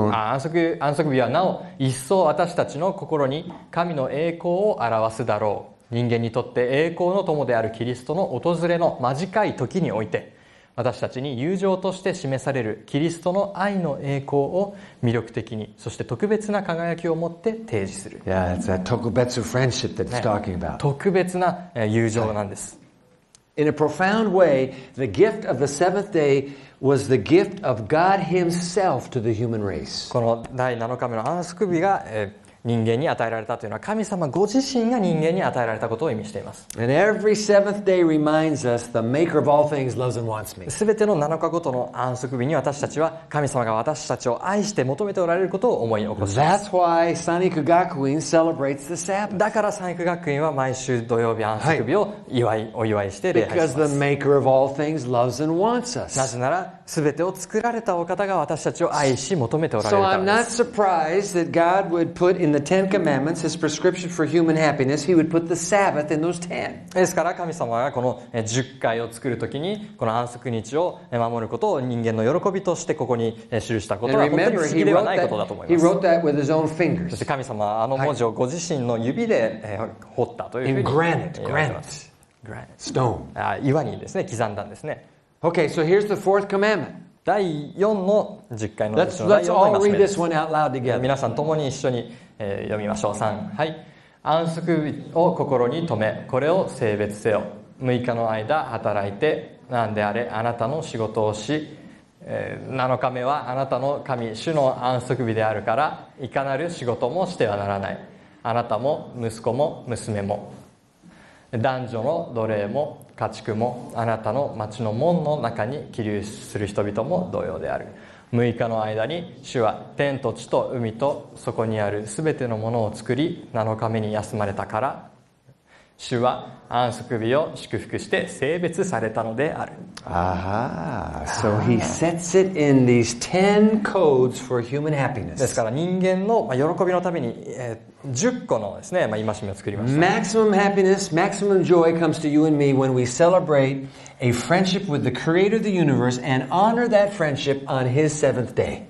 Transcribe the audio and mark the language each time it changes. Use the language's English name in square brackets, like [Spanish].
[Japanese] 安息日はなお一層私たちの心に神の栄光を表すだろう。人間にとって栄光の友であるキリストの訪れの間近い時において、私たちに友情として示されるキリストの愛の栄光を魅力的に、そして特別な輝きを持って提示する。 [English] Yeah, it's a [Japanese] 特別 [English] friendship that it's talking about. [Japanese] 特別な友情なんです。 [English] In a profound way, the gift of the seventh day was the gift of God Himself to the human race. [Japanese] この第7日目の安息日が、人間に与えられたというのは神様ご自身が人間に与えられたことを意味しています。 [English] And every seventh day reminds us the maker of all things loves and wants me. [Japanese] 全ての7日ごとの安息日に私たちは神様が私たちを愛して求めておられることを思い起こします。 [English] That's why Sanriku Gakuin celebrates the Sabbath. [Japanese] だから Sanriku Gakuin は毎週土曜日安息日を祝い、はい、お祝いして礼拝します。 [English] Because the maker of all things loves and wants us. [Japanese] なぜなら全てを作られたお方が私たちを愛し求めておられるからです。 [English] So I'm not surprised that God would put in the Ten Commandments his prescription for human happiness, he would put the Sabbath in those ten. [Japanese] ですから神様がこの十戒を作るときにこの安息日を守ることを人間の喜びとしてここに記したことは本当に不思議ではないことだと思います。 [English] He wrote that with his own fingers. [Japanese] そして神様はあの文字をご自身の指で彫ったというふうに言われます。 [English] In granite, granite, stone. [Japanese] 岩にですね、刻んだんですね。 [English] Okay, so here's the fourth commandment. [Japanese] 第四の十戒の第四の戒です。 [English] Let's all read this one out loud together. [Japanese] 皆さん共に一緒に、読みましょう。3、はい。安息日を心に留め、これを聖別せよ。 6日の間働いて、何であれあなたの仕事をし、7日目はあなたの神、主の安息日であるから、いかなる仕事もしてはならない。あなたも息子も娘も。男女の奴隷も家畜もあなたの町の門の中に起立する人々も同様である。 6日の間に主は天と地と海とそこにあるすべてのものを作り、7日目に休まれたから主は安息日を祝福して聖別されたのである。 [English] ああ、So he sets it in these ten codes for human happiness. [Japanese] ですから人間の喜びのために10個のですね、まあ、戒めを作りました、ね、 [English] Maximum happiness, maximum joy comes to you and me when we celebrate a friendship with the creator of the universe and honor that friendship on his seventh day.